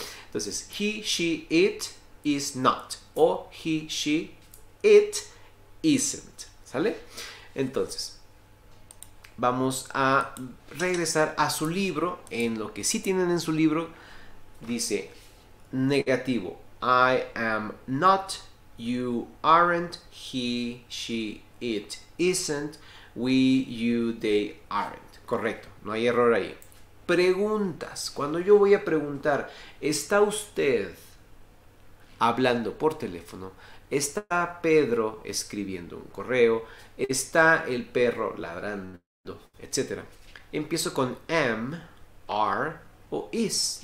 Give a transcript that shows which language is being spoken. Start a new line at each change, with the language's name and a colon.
English: Entonces, he, she, it, is not. O he, she, it, isn't. ¿Sale?
Spanish: Entonces, vamos a regresar a su libro. En lo que sí tienen en su libro, dice negativo.
English: I am not. You aren't, he, she, it isn't, we, you, they aren't.
Spanish: Correcto, no hay error ahí. Preguntas. Cuando yo voy a preguntar, ¿está usted hablando por teléfono? ¿Está Pedro escribiendo un correo? ¿Está el perro ladrando? do, etc. Empiezo con am, are o is.